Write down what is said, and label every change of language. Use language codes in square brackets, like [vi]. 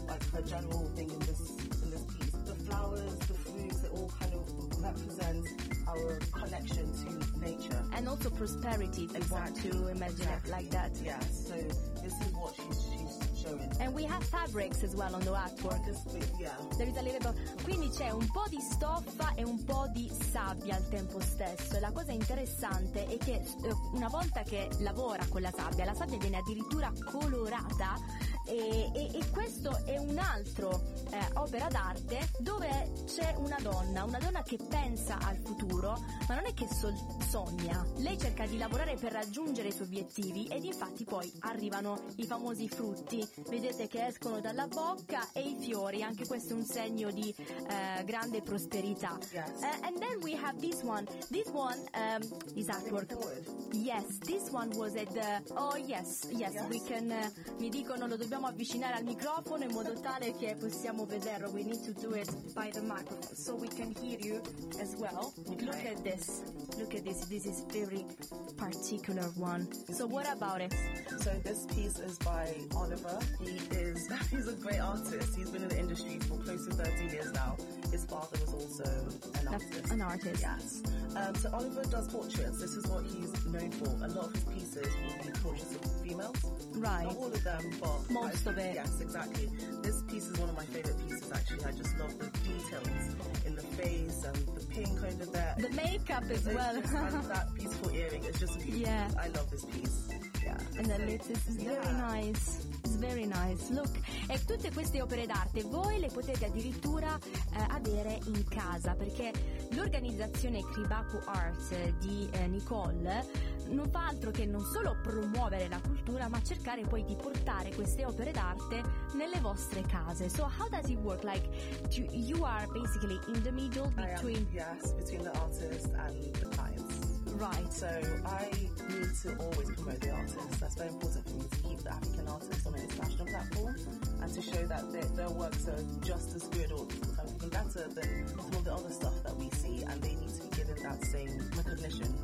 [en] Like a general thing in this piece. The flowers, the fruits, it all kind of represents our connection to nature. And also prosperity, if exactly. You want to imagine exactly. It like that. Yeah, so this is what she's showing. And we have fabrics as well on the artwork. There is a little bit. [it] Quindi c'è un po' di stoffa e un po' di sabbia al tempo stesso. La cosa interessante è che una volta che lavora con la sabbia viene addirittura colorata. E questo è un altro opera d'arte dove c'è una donna che pensa al futuro, ma non è che sogna, lei cerca di lavorare per raggiungere i suoi obiettivi ed infatti poi arrivano i famosi frutti, vedete che escono dalla bocca, e i fiori, anche questo è un segno di grande prosperità. [en] Yes. And then we have this one is artwork. Yes, this one was at the, yes. We can, [it] mi dicono, lo dobbiamo avvicinare al microfono in modo tale che possiamo vederlo. [en] We need to do it by the microphone so we can hear you as well. Okay. Look at this. This is very particular one. So what about it? So this piece is by Oliver. He's a great artist. He's been in the industry for close to 30 years now. His father was also an artist. Yes. So Oliver does portraits. This is what he's known for. A lot of his pieces will be portraits of females. Right. Not all of them, but most of it. Yes, exactly. This piece is one of my favorite pieces, actually. I just love the details in the face and the pink over there. The makeup as well. And that beautiful earring. It's just beautiful. Yeah. I love this piece. Yeah. And the lips is very nice. Very nice, look. [it] E tutte queste opere d'arte voi le potete addirittura avere in casa, perché l'organizzazione Kibraku Art di Nicole non fa altro che non solo promuovere la cultura, ma cercare poi di portare queste opere d'arte nelle vostre case. [en] So how does it work? Like, you are basically in the middle between... Between the artist and the clients. Right. So I need to always promote the artists. That's very important for me, to keep the African artists on an international platform and to show that their works are just as good or even better than some of the other stuff that we see, and they need to be given that same recognition.